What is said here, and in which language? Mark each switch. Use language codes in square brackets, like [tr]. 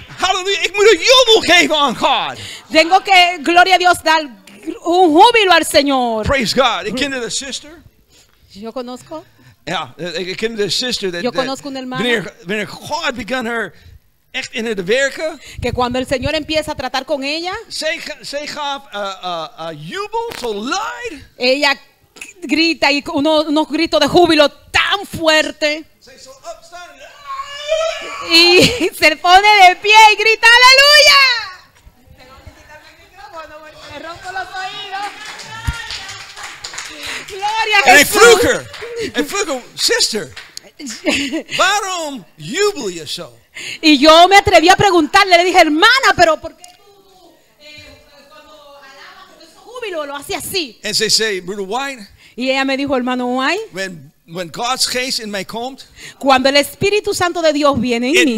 [nl] Hallelujah. Ik moet een jubel geven aan God. [es] Tengo que, gloria a Dios, dar un júbilo al Señor. [en] Praise God. [nl] Ik ken de sister. [es] Yo conozco. [nl] Ja, ik ken de sister. [es] Yo conozco un hermano. [nl] Wanneer God begon haar echt in het werken. [es] Que cuando el Señor empieza a tratar con ella. [nl] Zij gaf een jubel, zo luid. [es] Ella grita y uno grito de júbilo tan fuerte. [nl] Zij zo opstaan. [es] Y se pone de pie y grita aleluya. Gloria a Jesús. [nl] Y vroeg her, sister, ¿waarom jubel je zo? [es] Y yo me atreví a preguntarle, le dije, hermana, pero ¿por qué tú cuando alabas con ese júbilo lo haces así? [en] And she say, Brother White, [es] y ella me dijo, hermano White, [nl] when God's Geest in mij komt, [es] cuando el Espíritu Santo de Dios viene en mí,